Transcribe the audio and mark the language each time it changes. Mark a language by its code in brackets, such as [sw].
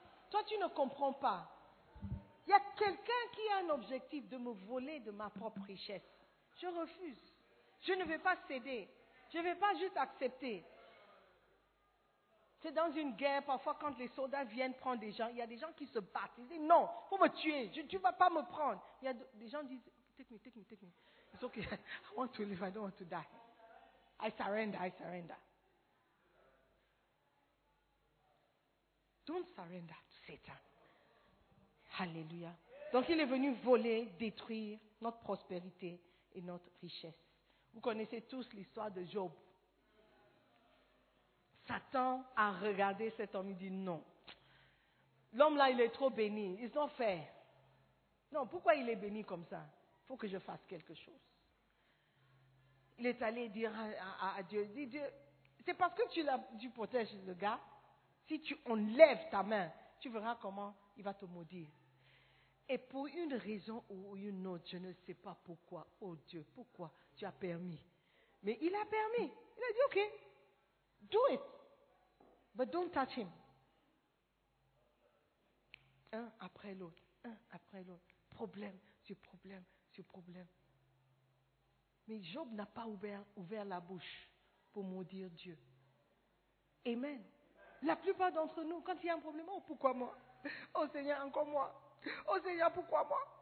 [fr] Toi, tu ne comprends pas. Il y a quelqu'un qui a un objectif de me voler de ma propre richesse. Je refuse. Je ne vais pas céder. Je ne vais pas juste accepter. C'est dans une guerre, parfois, quand les soldats viennent prendre des gens, il y a des gens qui se battent. Ils disent, non, il faut me tuer. Tu ne vas pas me prendre. Il y a des gens qui disent, [en] take me, take me, take me. It's okay. I want to live. I don't want to die. I surrender. I surrender. Don't surrender to Satan. Hallelujah. [fr] Donc, il est venu voler, détruire notre prospérité et notre richesse. Vous connaissez tous l'histoire de Job. Satan a regardé cet homme et dit non. L'homme-là, il est trop béni. [en] It's not fair. [fr] Non, pourquoi il est béni comme ça? Il faut que je fasse quelque chose. Il est allé dire à Dieu, il dit, Dieu, c'est parce que tu protèges le gars. Si tu enlèves ta main, tu verras comment il va te maudire. Et pour une raison ou une autre, je ne sais pas pourquoi, oh Dieu, pourquoi tu as permis. Mais il a permis. Il a dit, [en] ok, do it, but don't touch him. [fr] Un après l'autre, un après l'autre. Problème sur problème sur problème. Mais Job n'a pas ouvert la bouche pour maudire Dieu. Amen. La plupart d'entre nous, quand il y a un problème, oh, pourquoi moi? Oh Seigneur, encore moi. Oh Seigneur, pourquoi moi?